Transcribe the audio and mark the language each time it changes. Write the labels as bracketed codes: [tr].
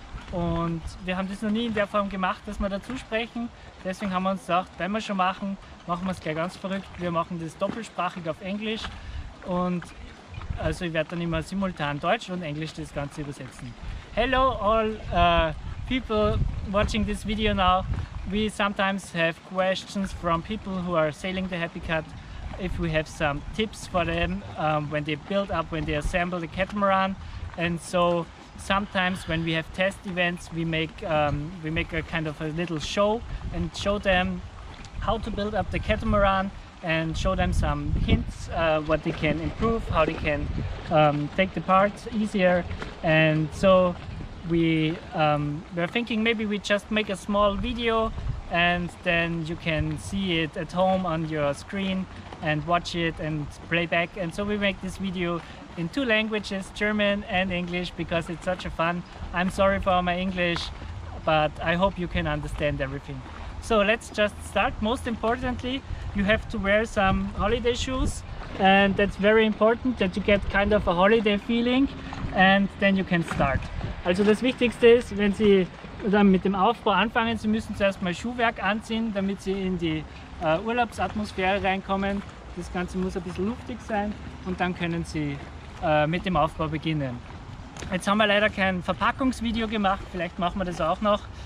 [de] Und wir haben das noch nie in der Form gemacht, dass wir dazu sprechen. Deswegen haben wir uns gedacht, wenn wir schon machen, machen wir es gleich ganz verrückt. Wir machen das doppelsprachig auf Englisch und also ich werde dann immer simultan Deutsch und Englisch das Ganze übersetzen. [en] Hello all people watching this video now. We sometimes have questions from people who are sailing the Happy Cut. If we have some tips for them when they build up, when they assemble the catamaran. And so sometimes when we have test events, we make a kind of a little show and show them how to build up the catamaran and show them some hints what they can improve, how they can take the parts easier. And so we're thinking maybe we just make a small video and then you can see it at home on your screen and watch it and play back. And so we make this video in two languages, German and English, because it's such a fun. I'm sorry for my English, but I hope you can understand everything. So let's just start. Most importantly, you have to wear some holiday shoes, and that's very important that you get kind of a holiday feeling, and then you can start. [de] Also das Wichtigste ist, wenn Sie dann mit dem Aufbau anfangen, Sie müssen zuerst mal Schuhwerk anziehen, damit Sie in die Urlaubsatmosphäre reinkommen. Das Ganze muss ein bisschen luftig sein und dann können Sie mit dem Aufbau beginnen. Jetzt haben wir leider kein Verpackungsvideo gemacht, vielleicht machen wir das auch noch.